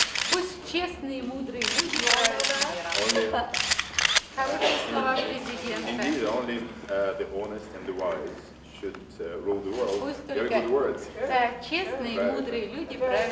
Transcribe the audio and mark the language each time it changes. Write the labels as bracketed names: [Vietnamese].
[Russian] Пусть честные и мудрые люди мира. Хорошие слова президента. [English] Indeed, only the honest and the wise should rule the world. Very good words. [Russian] Так, честные и мудрые люди правят